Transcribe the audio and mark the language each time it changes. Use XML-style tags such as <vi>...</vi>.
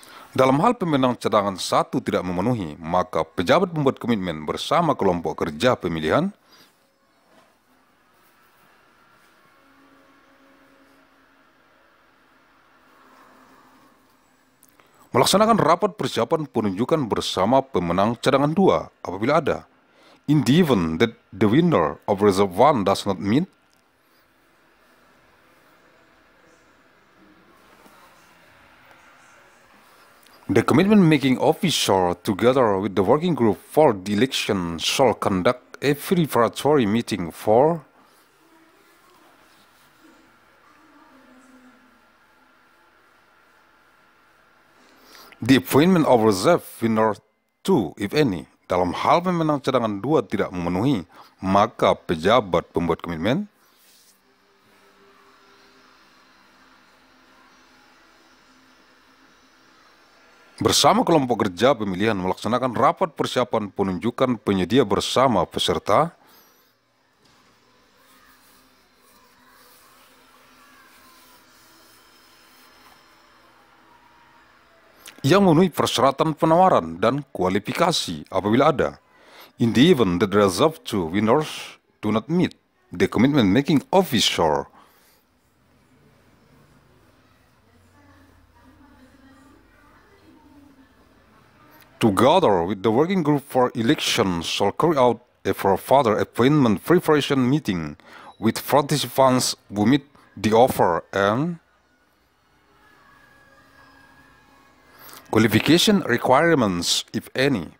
<id>Dalam hal pemenang cadangan 1 tidak memenuhi, maka pejabat pembuat komitmen bersama kelompok kerja pemilihan melaksanakan rapat persiapan penunjukan bersama pemenang cadangan 2 apabila ada.</id> <en>In the event that the winner of reserve 1 does not meet the commitment making officer together with the working group for the election shall conduct a preparatory meeting for the appointment of reserve winner 2, if any.</en> <id>Dalam hal pemenang cadangan 2 tidak memenuhi, maka pejabat pembuat komitmen bersama kelompok kerja pemilihan melaksanakan rapat persiapan penunjukan penyedia bersama peserta yang memenuhi persyaratan penawaran dan kualifikasi apabila ada.</id> <en>In the event that the reserve 2 winners do not meet, the commitment making officer together with the working group for election shall carry out a further appointment preparation meeting with participants who meet the offer and qualification requirements, if any.</en>